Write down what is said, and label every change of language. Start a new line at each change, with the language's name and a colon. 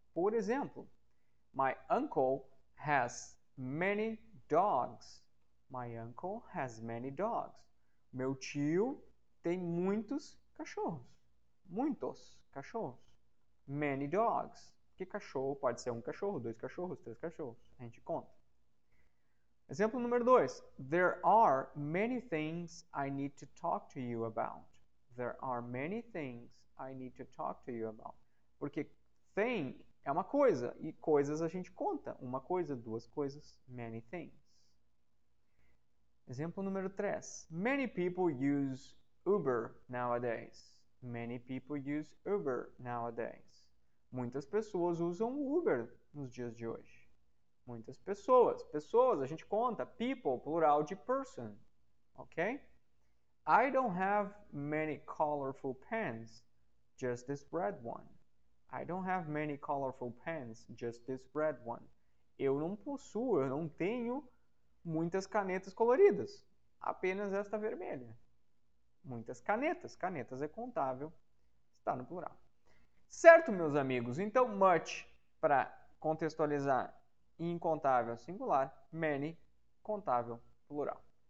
Portuguese: Por exemplo,
English: my uncle has many dogs. My uncle has many dogs.
Portuguese: Meu tio tem muitos cachorros. Muitos cachorros.
English: Many dogs.
Portuguese: Que cachorro? Pode ser um cachorro, dois cachorros, três cachorros. A gente conta. Exemplo número 2.
English: There are many things I need to talk to you about. There are many things I need to talk to you about.
Portuguese: Porque thing é uma coisa e coisas a gente conta. Uma coisa, duas coisas.
English: Many things.
Portuguese: Exemplo número 3.
English: Many people use Uber nowadays. Many people use Uber nowadays.
Portuguese: Muitas pessoas usam Uber nos dias de hoje. Muitas pessoas. Pessoas, a gente conta. People, plural de person. Ok?
English: I don't have many colorful pens, just this red one. I don't have many colorful pens, just this red one.
Portuguese: Eu não possuo, eu não tenho muitas canetas coloridas. Apenas esta vermelha. Muitas canetas. Canetas é contável. Está no plural. Certo, meus amigos? Então, much, para contextualizar. Incontável singular, many contável plural.